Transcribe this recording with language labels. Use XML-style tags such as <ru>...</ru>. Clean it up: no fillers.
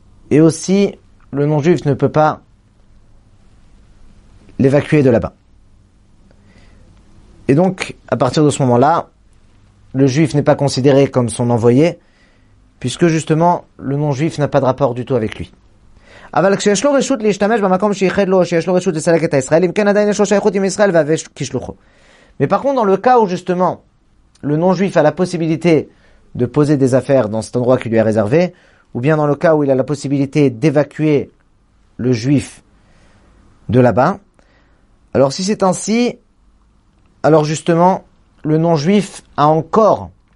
<fr>Et aussi, le non-juif ne peut pas l'évacuer de là-bas. Et donc, à partir de ce moment-là, le juif n'est pas considéré comme son envoyé, puisque justement, le non-juif n'a pas de rapport du tout avec lui.</fr> <he>אבל כשיש לו רשות להשתמש במקום שייחד לו, שיש לו רשות לסלק את הישראל, אם כן עדיין יש לו שייכות עם ישראל והווה כשלוחו.</he> <fr>Mais par contre, dans le cas où justement, le non-juif a la possibilité de poser des affaires dans cet endroit qui lui est réservé, ou bien dans le cas où il a la possibilité d'évacuer le juif de là-bas, alors si c'est ainsi, alors justement, le non-juif a encore</fr>